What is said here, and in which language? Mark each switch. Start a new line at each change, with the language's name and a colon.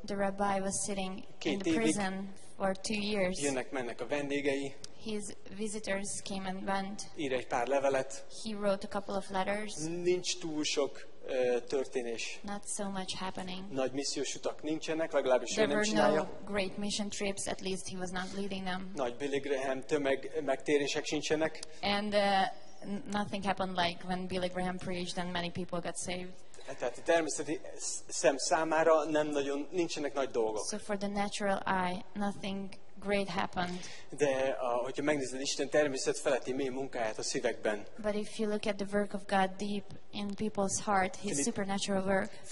English: The rabbi was sitting in the prison for 2 years.
Hungarian: Jönnek mennek a vendégei.
English: His visitors came and went.
Hungarian: Ír egy pár levelet.
English: He wrote a couple of letters.
Hungarian: Nincs túl sok történés.
English: Not so much happening.
Hungarian: Nagy missziós utak nincsenek, legalábbis
English: There were
Hungarian: csinálja.
English: No great mission trips, at least he was not leading them.
Hungarian: Nagy Billy Graham tömeg megtérések sincsenek.
English: And nothing happened like when Billy Graham preached and many people got saved.
Hungarian: Tehát a természeti szem számára nem nagyon nincsenek nagy dolgok.
English: So for the natural eye, nothing great happened.
Hungarian: De hogyha megnézed Isten természet feletti mély munkáját a szívekben.
English: But if you look at the work of God deep in people's heart, his supernatural work.